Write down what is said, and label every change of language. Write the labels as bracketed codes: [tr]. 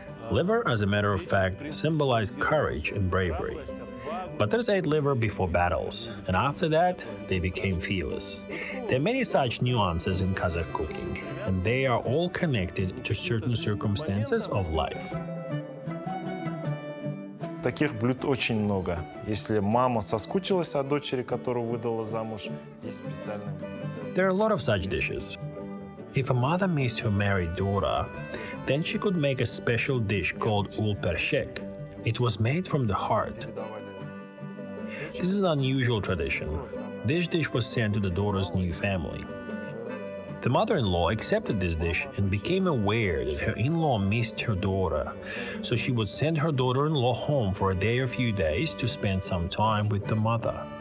[en] Liver, as a matter of fact, symbolizes courage and bravery. Батырс ate liver before battles, and after that, they became fearless. There are many such nuances in Kazakh cooking, and they are all connected to certain circumstances of life. [ru] Таких блюд очень много. Если мама соскучилась о дочери, которую выдала замуж, есть специальные. [en] There are a lot of such dishes. If a mother missed her married daughter, then she could make a special dish called ulperşek. It was made from the heart. This is an unusual tradition. This dish was sent to the daughter's new family. The mother-in-law accepted this dish and became aware that her in-law missed her daughter, so she would send her daughter-in-law home for a day or few days to spend some time with the mother.